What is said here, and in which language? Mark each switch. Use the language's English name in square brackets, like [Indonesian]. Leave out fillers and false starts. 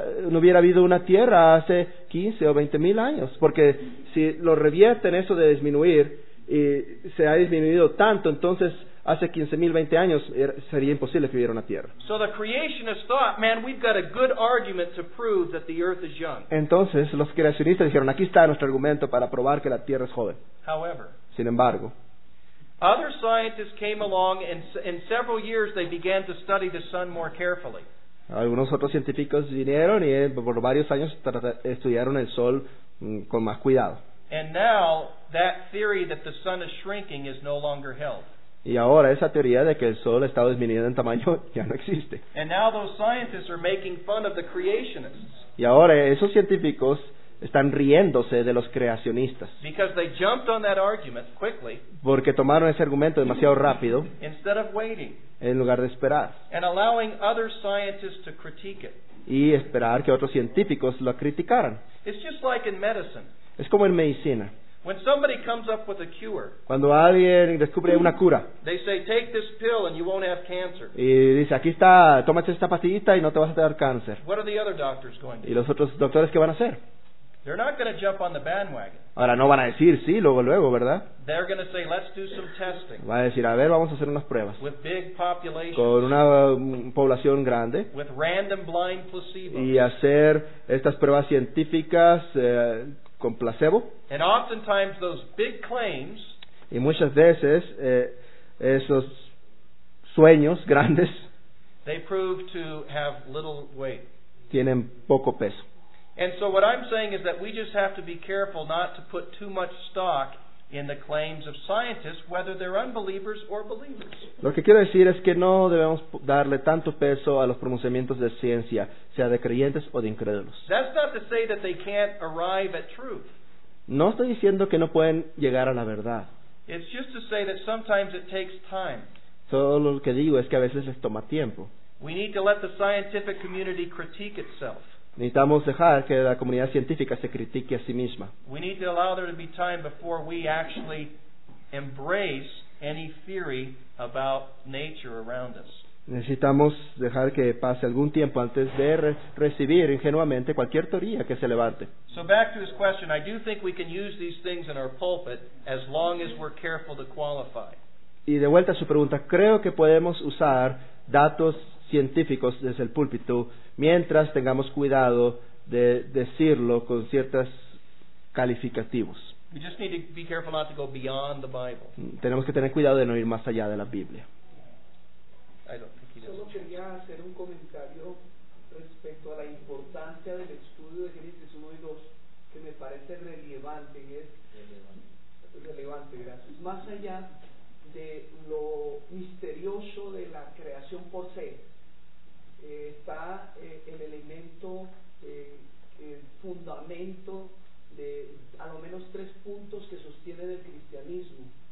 [Spanish] No hubiera habido una tierra hace 15 o 20 mil años. Porque si lo revierten eso de disminuir y se ha disminuido tanto, entonces hace 15 mil, 20 años sería imposible que hubiera una tierra. [English] So the creationists thought, man, we've got a good argument to prove that the earth is young. [Spanish] Entonces los creacionistas dijeron, aquí está nuestro argumento para probar que la tierra es joven. [English] However, [Spanish] sin embargo, [English] other scientists came along and in several years they began to study the sun more carefully. [Spanish] Algunos otros científicos vinieron y por varios años estudiaron el sol con más cuidado. [English] And now that theory that the sun is shrinking is no longer held. [Spanish] Y ahora esa teoría de que el sol está disminuyendo en tamaño ya no existe. [English] And now those scientists are making fun of the creationists. [Spanish] Y ahora esos científicos están riéndose de los creacionistas. [English] Because they jumped on that argument quickly. [Spanish] Porque tomaron ese argumento demasiado rápido. [English] Instead of waiting. [Spanish] En lugar de esperar. [English] And allowing other scientists to critique it. [Spanish] Y esperar que otros científicos lo criticaran. [English] It's just like in medicine. [Spanish] Es como en medicina. [English] When somebody comes up with a cure, [Spanish] cuando alguien descubre una cura, [English] they say, take this pill and you won't have cancer. [Spanish] Y dice, aquí está, tómate esta pastillita y no te vas a dar cáncer. [English] What are the other doctors going to do? [Spanish] ¿Y los otros doctores qué van a hacer? [English] They're not going to jump on the bandwagon. [Spanish] Ahora no van a decir sí luego, ¿verdad? [English] They're going to say, let's do some testing. [Spanish] Va a decir, a ver, vamos a hacer unas pruebas. [English] With big populations. [Spanish] Con una población grande. [English] With random blind placebos. [Spanish] Y hacer estas pruebas científicas con placebo. [English] And oftentimes those big claims, [Spanish] y muchas veces esos sueños grandes, [English] they prove to have little weight. [Spanish] Tienen poco peso. [English] And so what I'm saying is that we just have to be careful not to put too much stock in the claims of scientists, whether they're unbelievers or believers. [Spanish] Lo que quiero decir es que no debemos darle tanto peso a los pronunciamientos de ciencia, sea de creyentes o de incrédulos. [English] That's not to say that they can't arrive at truth. [Spanish] No estoy diciendo que no pueden llegar a la verdad. [English] It's just to say that sometimes it takes time. [Spanish] Todo lo que digo es que a veces les toma tiempo. [English] We need to let the scientific community critique itself. [Spanish] Necesitamos dejar que la comunidad científica se critique a sí misma. [English] We need to allow there to be time before we actually embrace any theory about nature around us. [Spanish] Necesitamos dejar que pase algún tiempo antes de recibir ingenuamente cualquier teoría que se levante. [English] So back to this question, I do think we can use these things in our pulpit as long as we're careful to qualify. [Spanish] Y de vuelta a su pregunta, creo que podemos usar datos científicos desde el púlpito mientras tengamos cuidado de decirlo con ciertos calificativos. [English] We just need to be careful not to go beyond the Bible. [Spanish] Tenemos que tener cuidado de no ir más allá de la Biblia. Solo quería hacer un comentario respecto a la importancia del estudio de Génesis 1 y 2 que me parece relevante, y es relevante, gracias. Más allá de lo misterioso de la creación por se, está el elemento el fundamento de a lo menos tres puntos que sostiene el cristianismo.